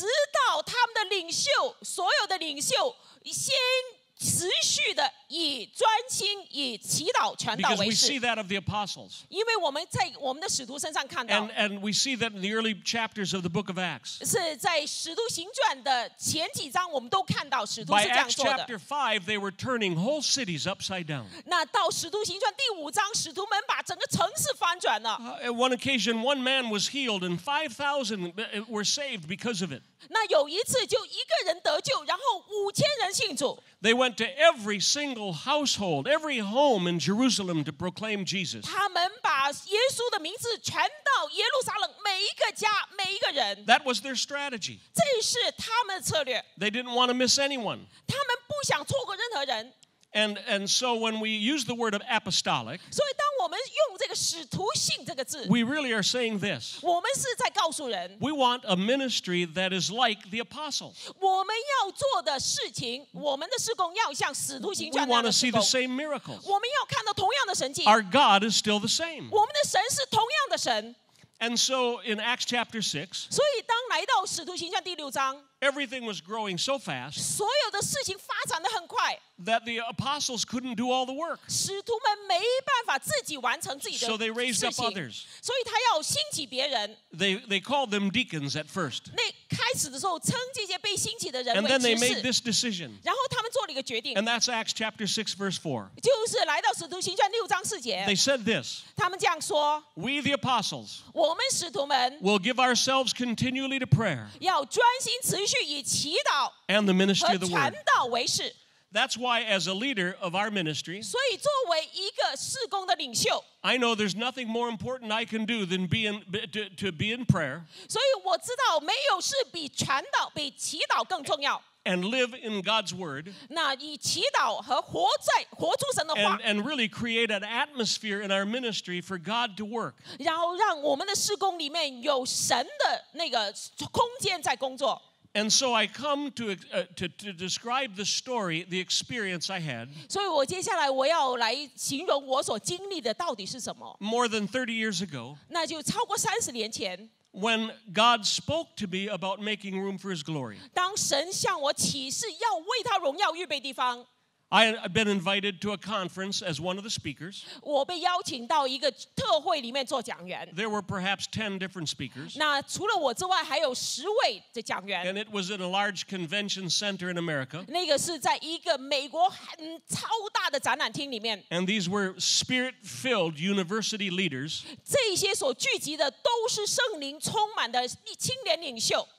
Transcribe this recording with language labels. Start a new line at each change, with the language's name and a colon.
Chinese: 直到他们的领袖，所有的领袖先。持续的以专心以祈祷传道为事
English: Because we see that of the apostles.
Chinese: 因为我们在我们的使徒身上看到
English: and we see that in the early chapters of the book of Acts.
Chinese: 是在使徒行传的前几章我们都看到使徒是这样做的
English: By Acts chapter 5, they were turning whole cities upside down.
Chinese: 那到使徒行传第五章使徒们把整个城市翻转了
English: At one occasion, one man was healed and 5,000 were saved because of it.
Chinese: 那有一次就一个人得救然后五千人信主
English: They went to every single household, every home in Jerusalem to proclaim Jesus.
Chinese: 他们把耶稣的名字传到耶路撒冷每一个家每一个人
English: That was their strategy.
Chinese: 这是他们的策略
English: They didn't want to miss anyone.
Chinese: 他们不想错过任何人
English: And so when we use the word of apostolic,
Chinese: 所以当我们用这个使徒性这个字
English: we really are saying this.
Chinese: 我们是在告诉人
English: We want a ministry that is like the apostles.
Chinese: 我们要做的事情，我们的事工要像使徒行传那样的事
English: 工。We want to see the same miracles.
Chinese: 我们要看到同样的神迹。
English: Our God is still the same.
Chinese: 我们的神是同样的神。
English: And so in Acts chapter 6,
Chinese: 所以当来到使徒行传第六章。
English: Everything was growing so fast.
Chinese: 所有的事情发展得很快。
English: That the apostles couldn't do all the work.
Chinese: 使徒们没办法自己完成自己的事情。
English: So they raised up others.
Chinese: 所以他要兴起别人。
English: They called them deacons at first.
Chinese: 那开始的时候称这些被兴起的人为执事。
English: And then they made this decision.
Chinese: 然后他们做了一个决定。
English: And that's Acts chapter 6 verse 4.
Chinese: 就是来到使徒行传六章四节。
English: They said this.
Chinese: 他们这样说。
English: We the apostles.
Chinese: 我们使徒们。
English: Will give ourselves continually to prayer.
Chinese: 要专心持续。
English: And the ministry of the word.
Chinese: 和传道为事。
English: That's why, as a leader of our ministry,
Chinese: 所以作为一个事工的领袖
English: I know there's nothing more important I can do than be in prayer.
Chinese: 所以我知道没有事比传道比祈祷更重要。
English: And live in God's word.
Chinese: 那以祈祷和活在活出神的话。
English: And really create an atmosphere in our ministry for God to work.
Chinese: 然后让我们的事工里面有神的那个空间在工作。
English: And so I come to describe the story, the experience I had.
Chinese: 所以我接下来我要来形容我所经历的到底是什么。
English: More than 30 years ago.
Chinese: 那就超过30年前。
English: When God spoke to me about making room for His glory.
Chinese: 当神向我启示要为他荣耀预备地方。
English: I had been invited to a conference as one of the speakers.
Chinese: 我被邀请到一个特会里面做讲员。
English: There were perhaps 10 different speakers.
Chinese: 那除了我之外，还有十位的讲员。
English: And it was in a large convention center in America.
Chinese: 那个是在一个美国很超大的展览厅里面。
English: And these were spirit-filled university leaders.
Chinese: 这些所聚集的都是圣灵充满的青年领袖。